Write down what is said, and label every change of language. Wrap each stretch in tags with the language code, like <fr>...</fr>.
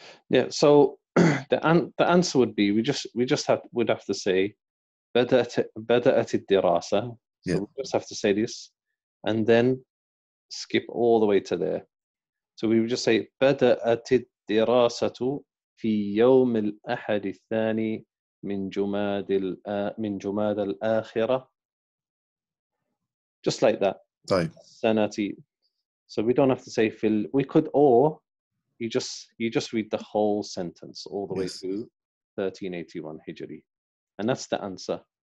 <en>Yeah, so the answer would be we'd have to say</en> <ar>بدأت الدراسة.</ar> <en>So yeah. We just have to say this and then skip all the way to there. So we would just say</en> <ar>بدأت الدراسة في يوم الأحد الثاني من جماد الآخرة.</ar> <en>Just like that. Right. Sanati. So we don't have to say fil. We could, or you just read the whole sentence all the way through 1381 Hijri, and that's the answer.</en>